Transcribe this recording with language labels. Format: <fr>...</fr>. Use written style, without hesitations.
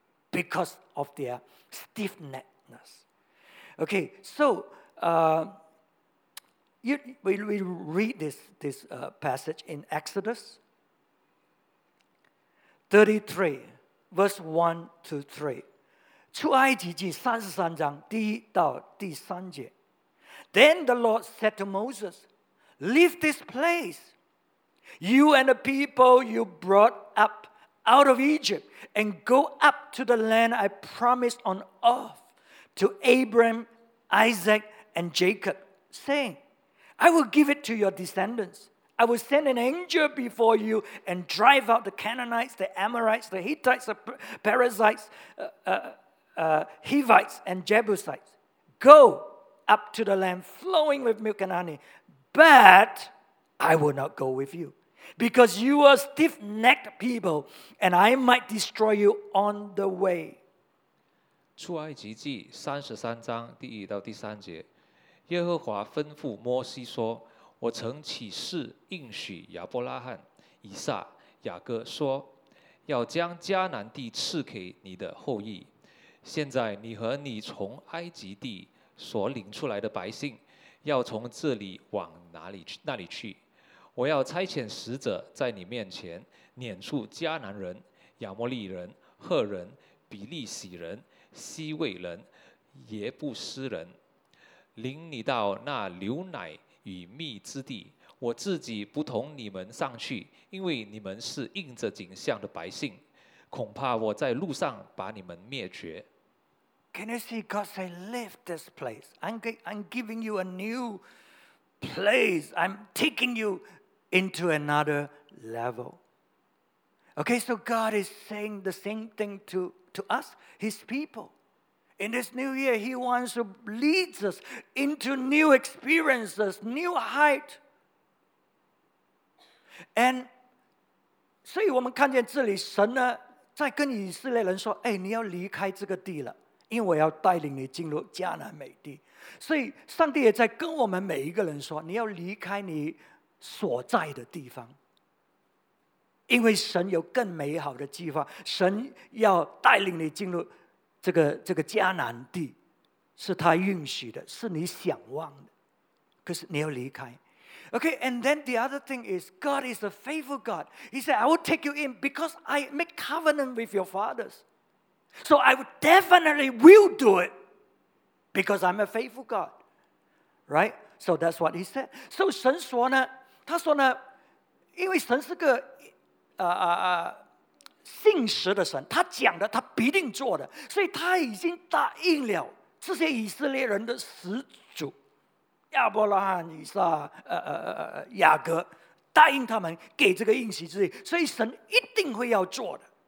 <en>Because of their stiff-neckedness. Okay, so we read this passage in Exodus 33, verse 1 to 3.</en> <zh>出埃及记33章第一到第三节.</zh> <en>Then the Lord said to Moses, "Leave this place, you and the people you brought up out of Egypt, and go up to the land I promised on oath to Abraham, Isaac, and Jacob, saying, I will give it to your descendants. I will send an angel before you and drive out the Canaanites, the Amorites, the Hittites, the Perizzites, Hivites, and Jebusites. Go up to the land flowing with milk and honey, but I will not go with you. Because you are stiff-necked people, and I might destroy you on the way."</en> <zh>出埃及记33章第1到第3节，耶和华吩咐摩西说：“我曾起誓应许亚伯拉罕、以撒、雅各说，要将迦南地赐给你的后裔。现在你和你从埃及地所领出来的百姓，要从这里往哪里去？” 我要差遣使者在你面前撵出迦南人、亚摩利人、赫人、比利洗人、西魏人、耶布斯人。领你到那牛奶与蜜之地，我自己不同你们上去，因为你们是应着景象的百姓，恐怕我在路上把你们灭绝。</zh> <en>Can you see God say, leave this place? I'm giving you a new place. I'm taking you into another level. Okay, so God is saying the same thing to us, His people. In this new year, He wants to lead us into new experiences, new height. And so we see here, God is telling Israel, hey, you have to leave this place.</en> <zh>因为我要带领你进入迦南美地，所以上帝也在跟我们每一个人说，你要离开你所在的地方，因为神有更美好的计划，神要带领你进入这个迦南地，是他允许的，是你想望的，可是你要离开。</zh> <en>Okay, and then the other thing is, God is a faithful God. He said, I will take you in because I make covenant with your fathers. So I definitely will do it because I'm a faithful God. Right? So that's what he said.</en> <zh>So 神说呢，他说呢，因为神是个信实的神，他讲的他必定做的，所以他已经答应了这些以色列人的始祖亚伯拉罕、以撒、雅各，答应他们给这个应许之地，所以神一定会要做的。</zh>